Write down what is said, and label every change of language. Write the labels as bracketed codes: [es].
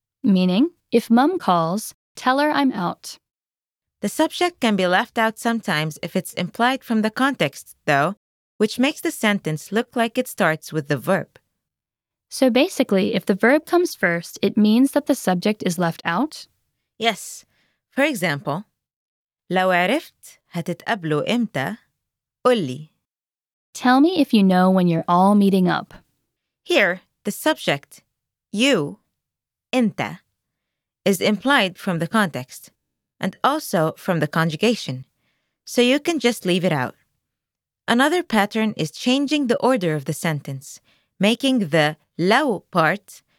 [en] Meaning, if mom calls, tell her I'm out. The subject can be left out sometimes if it's implied from the context, though, which makes the sentence look like it starts with the verb. So basically, if the verb comes first, it means that the subject is left out? Yes. For example, [ar] لو عرفت هتتقابلوا إمتى قول لي. [en] Tell me if you know when you're all meeting up. Here, the subject, you, انت, is implied from the context and also from the conjugation, so you can just leave it out. Another pattern is changing the order of the sentence, making the لو part